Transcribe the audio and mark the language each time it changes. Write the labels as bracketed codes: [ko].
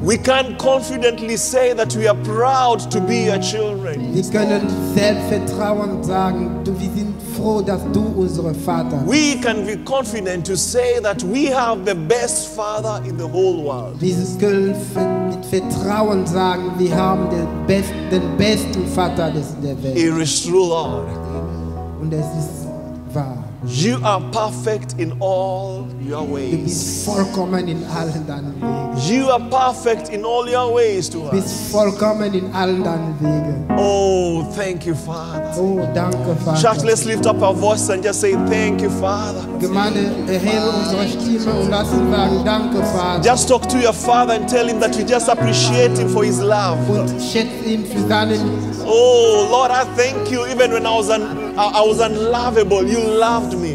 [en] We can confidently say that we are proud to be your children. [de] Wir können selbstvertrauend sagen, wir sind froh, dass du unser Vater bist. [en] We can be confident to say that we have the best father in the whole world. [de] Wir können mit Vertrauen sagen, wir haben den besten Vater der Welt. [en] It is true, Lord. [de] Und es ist wahr. [en] You are perfect in all your ways. [de] Du bist vollkommen in allen deinen Wegen. [en] You are perfect in all your ways to us. [de] Du bist vollkommen in allen deinen Wegen. [en] Oh, thank you, Father. [de] Oh, danke, Vater. [en] Church, let's lift up our voices and just say thank you, Father. [de] Gemeinde, erhebe unsere Stimme und lass uns sagen, danke, Vater. [en] Just talk to your Father and tell him that you just appreciate him for his love. [de] Und schätze ihn für seine Liebe. [en] Oh, Lord, I thank you. Even when I was unlovable, you loved me.